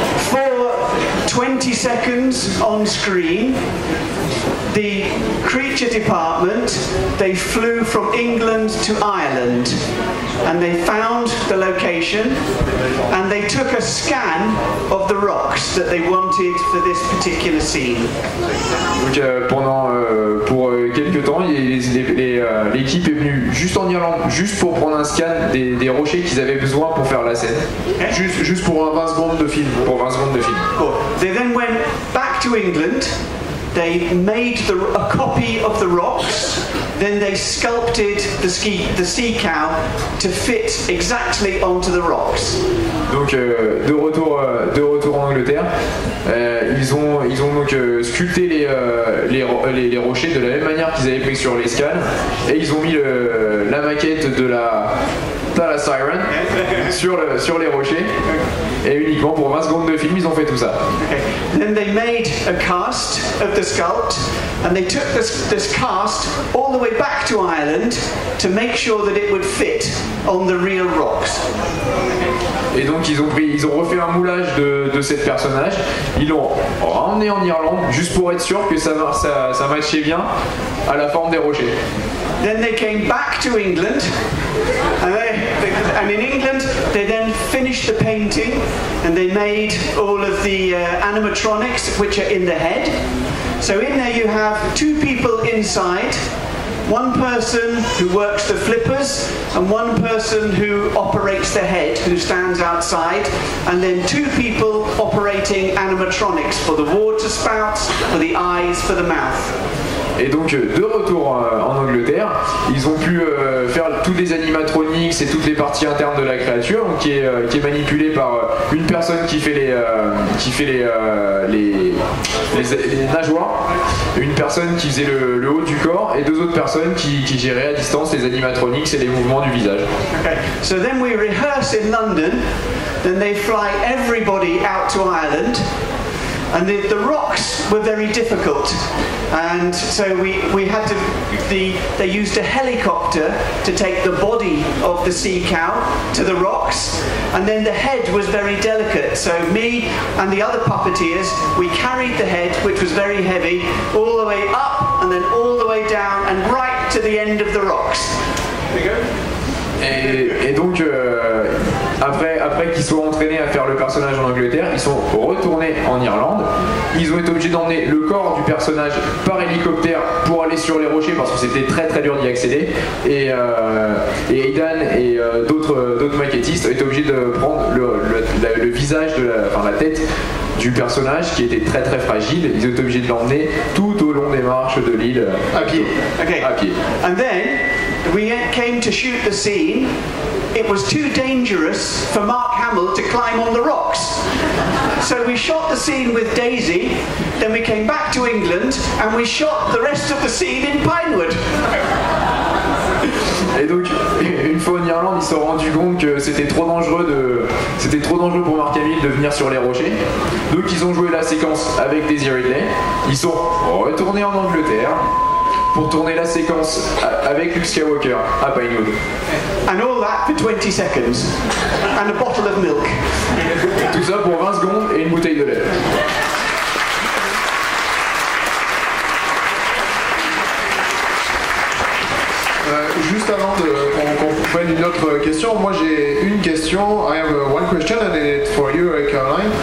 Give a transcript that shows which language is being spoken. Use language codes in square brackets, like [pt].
[en] For 20 seconds on screen. The creature department, they flew from England to Ireland and they found the location and they took a scan of the rocks that they wanted for this particular scene. [fr] Donc pour quelques temps, l'équipe est venue juste en Irlande, juste pour prendre un scan des rochers qu'ils avaient besoin pour faire la scène. Okay. Juste pour 20 secondes de film. Pour 20 secondes de film. [en] Cool. They then went back to England. They made a copy of the rocks, then they sculpted the sea cow to fit exactly onto the rocks. [fr] Donc de retour en Angleterre, ils ont donc sculpté les rochers de la même manière qu'ils avaient pris sur les scans, et ils ont mis la maquette de la Thala Siren sur les rochers, et uniquement pour 20 secondes de film ils ont fait tout ça. [en] Okay. Then they made a cast of the sculpt and they took this cast all the way back to Ireland to make sure that it would fit on the real rocks. [fr] Et donc ils ont refait un moulage de cette personnage, ils l'ont ramené en Irlande juste pour être sûr que ça matchait bien à la forme des rochers. [en] Then they came back to England. And in England, they then finished the painting and they made all of the animatronics which are in the head. So in there you have two people inside one person who works the flippers and one person who operates the head, who stands outside, and then two people operating animatronics for the water spouts, for the eyes, for the mouth. [fr] Et donc, de retour en Angleterre, ils ont pu faire tous les animatronics et toutes les parties internes de la créature qui est manipulée par une personne qui fait les nageoires, une personne qui faisait le haut du corps et deux autres personnes qui géraient à distance les animatronics et les mouvements du visage. [en] Okay. So then we rehearse in London, then they fly everybody out to Ireland. And the rocks were very difficult, and so they used a helicopter to take the body of the sea cow to the rocks, and then the head was very delicate. So me and the other puppeteers, we carried the head, which was very heavy, all the way up and then all the way down and right to the end of the rocks. [fr] Et donc après qu'ils soient entraînés à faire le personnage en Angleterre, ils sont retournés en Irlande. Ils ont été obligés d'emmener le corps du personnage par hélicoptère pour aller sur les rochers parce que c'était très très dur d'y accéder. Et Aidan et d'autres maquettistes ont été obligés de prendre le visage la tête du personnage qui était très très fragile. Ils ont été obligés de l'emmener tout au long des marches de l'île à pied. Okay. À pied. [en] And then we came to shoot the scene. It was too dangerous for Mark Hamill to climb on the rocks. So we shot the scene with Daisy, then we came back to England and we shot the rest of the scene in Pinewood. [fr] Et donc, une fois en Irlande, ils se sont rendus compte que c'était trop dangereux pour Mark Hamill de venir sur les rochers. Donc ils ont joué la séquence avec Daisy Ridley. Ils sont retournés en Angleterre pour tourner la séquence avec Luke Skywalker à Pinewood. [en] And all that for 20 seconds. And a bottle of milk. [fr] Tout ça pour 20 secondes et une bouteille de lait. Juste avant qu'on prenne une autre question, moi j'ai une question. [en] I have one question and it's for you, Caroline.